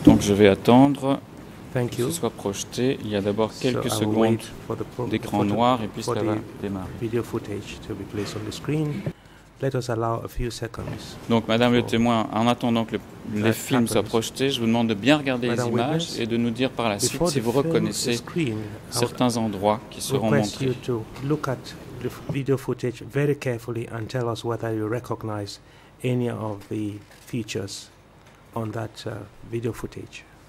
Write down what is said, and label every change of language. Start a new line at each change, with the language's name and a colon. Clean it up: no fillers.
French: Donc je vais attendre que ce soit projeté. Il y a d'abord quelques secondes d'écran noir et puis ça va démarrer.
English: Video footage to be placed on the screen. Let us allow a few seconds.
French: Donc, Madame le témoin, en attendant que les films soient projetés, je vous demande de bien regarder les images et de nous dire par la suite si vous reconnaissez certains endroits qui seront montrés.
English: You to look at the video footage very carefully and tell us whether you recognize any of the features on that video footage.